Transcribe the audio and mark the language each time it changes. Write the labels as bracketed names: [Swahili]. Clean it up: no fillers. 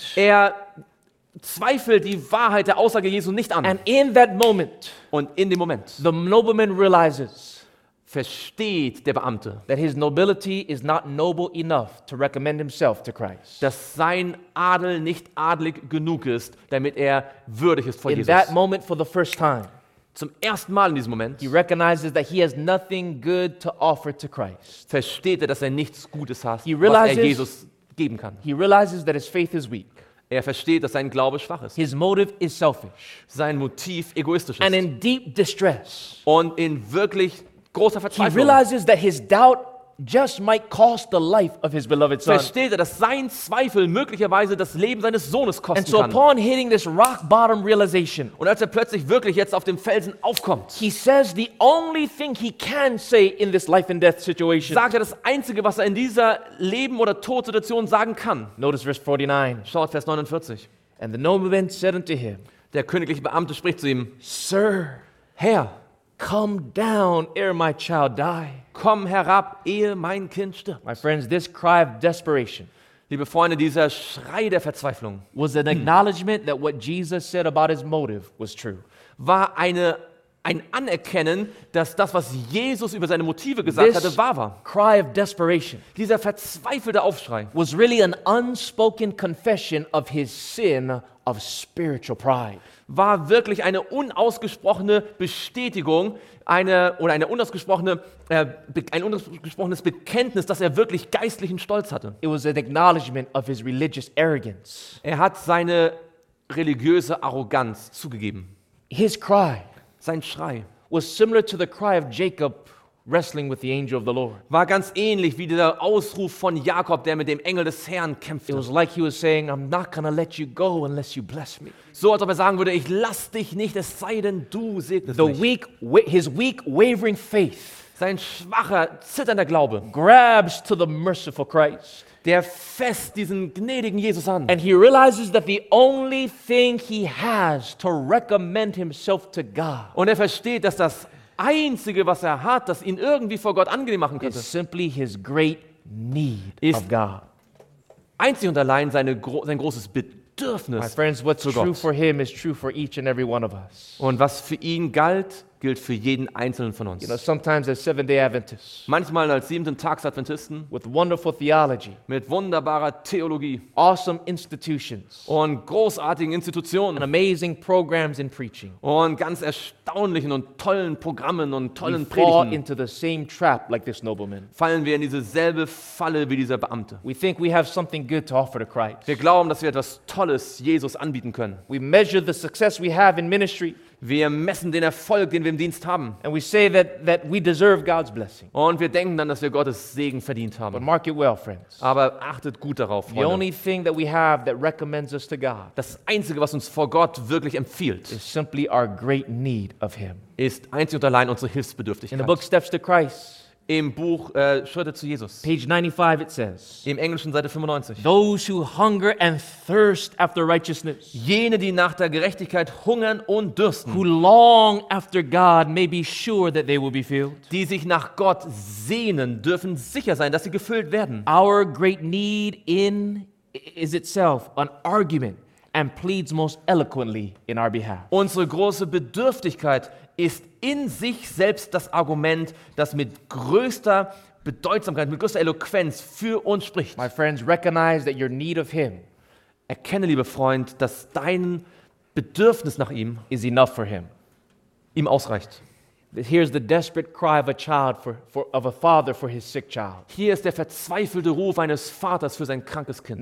[German] Er zweifelt die Wahrheit der Aussage Jesu nicht an. [English] And in that moment, [German] und in dem Moment, [English] the nobleman realizes, [German] versteht der Beamte, [English] that his nobility is not noble enough to recommend himself to Christ. [German] Dass sein Adel nicht adelig genug ist, damit er würdig ist vor [English] in [German] Jesus. [English] In that moment for the first time, [German] zum ersten Mal in diesem Moment, [English] he recognizes that he has nothing good to offer to Christ. [German] Versteht er, dass er nichts Gutes hat, was er Jesus geben kann. [English] He realizes that his faith is weak. [German] Er versteht, dass sein Glaube schwach ist. [English] His motive is selfish. [German] Sein Motiv egoistisch ist. [English] And in deep distress. [German] Und in wirklich großer Verzweiflung. [English] He realizes that his doubt just might cost the life of his beloved son. [German] Versteht er, dass sein Zweifel möglicherweise das Leben seines Sohnes kosten kann. [English] And so upon hitting this rock bottom realization, [German] und als er plötzlich wirklich jetzt auf dem Felsen aufkommt, [English] he says the only thing he can say in this life and death situation. [German] Sagt er das Einzige, was er in dieser Leben oder Tod Situation sagen kann. [English] Notice verse 49. [German] Schaut Vers 49. [English] And the nobleman said unto him. [German] Der königliche Beamte spricht zu ihm. [English] Sir, [German] Herr, [English] come down ere my child die. [German] Komm herab, ehe mein Kind stirbt. [English] My friends, this cry of desperation, [German] liebe Freunde, dieser Schrei der Verzweiflung, [English] was an acknowledgement that what Jesus said about his motive was true. [German] War ein Anerkennen, dass das, was Jesus über seine Motive gesagt [English] this [German] hatte, wahr war. [English] Cry of desperation, [German] dieser verzweifelte Aufschrei, [English] was really an unspoken confession of his sin of spiritual pride. [German] War wirklich eine unausgesprochene Bestätigung, ein unausgesprochenes Bekenntnis, dass er wirklich geistlichen Stolz hatte. [English] It was an acknowledgement of his religious arrogance. [German] Er hat seine religiöse Arroganz zugegeben. [English] His cry, [German] sein Schrei, [English] was similar to the cry of Jacob wrestling with the angel of the Lord. [German] War ganz ähnlich wie der Ausruf von Jakob, der mit dem Engel des Herrn kämpfte. [English] It was like he was saying, I'm not gonna let you go unless you bless me. [German] So als ob er sagen würde, ich lass dich nicht, es sei denn du segnest [English] the [German] mich. [English] His weak wavering faith. [German] Sein schwacher, zitternder Glaube. [English] Grabs to the merciful Christ. [German] Der fest diesen gnädigen Jesus an. [English] And he realizes that the only thing he has to recommend himself to God. [German] Und er versteht, dass das Einzige, was er hat, das ihn irgendwie vor Gott angenehm machen könnte, [English] is simply his great need [German] ist [English] of God. [German] Einzig und allein sein großes Bedürfnis. [English] My friends, what's [German] zu [English] true [German] Gott. [English] For him is true for each and every one of us. [German] Und was für ihn galt, gilt für jeden einzelnen von uns. [English] You know, sometimes as Seventh-day Adventists, [German] manchmal als Siebenten-Tags-Adventisten, [English] with wonderful theology, [German] mit wunderbarer Theologie, [English] awesome institutions, [German] und großartigen Institutionen, [English] and amazing programs in preaching, [German] und ganz erstaunlichen und tollen Programmen und tollen Predigten, [English] into the same trap like this nobleman. [German] Fallen wir in dieselbe Falle wie dieser Beamte. [English] We think we have something good to offer to Christ. [German] Wir glauben, dass wir etwas Tolles Jesus anbieten können. [English] We measure the success we have in ministry. [German] Wir messen den Erfolg, den wir im Dienst haben. [English] And we say that we deserve God's blessing. [German] Und wir denken dann, dass wir Gottes Segen verdient haben. [English] But mark it well, friends. [German] Aber achtet gut darauf, Freunde. [English] The only thing that we have that recommends us to God. [German] Das Einzige, was uns vor Gott wirklich empfiehlt, [English] is simply our great need of him. [German] Ist einzig und allein unsere Hilfsbedürftigkeit. [English] In the book Steps to Christ. [German] Im Buch Schritte zu Jesus. [English] Page 95 it says. [German] Im Englischen Seite 95. [English] Those who hunger and thirst after righteousness. [German] Jene, die nach der Gerechtigkeit hungern und dürsten. [English] Who long after God may be sure that they will be filled. [German] Die sich nach Gott sehnen, dürfen sicher sein, dass sie gefüllt werden. [English] Our great need in is itself an argument and pleads most eloquently in our behalf. [German] Unsere große Bedürftigkeit ist in sich selbst das Argument, das mit größter Bedeutsamkeit, mit größter Eloquenz für uns spricht. [English] My friends, recognize that your need of him. [German] Erkenne, lieber Freund, dass dein Bedürfnis nach ihm [English] is enough for him. [German] Ihm ausreicht. [English] Here's the desperate cry of a child of a father for his sick child. [German] Hier ist der verzweifelte Ruf eines Vaters für sein krankes Kind.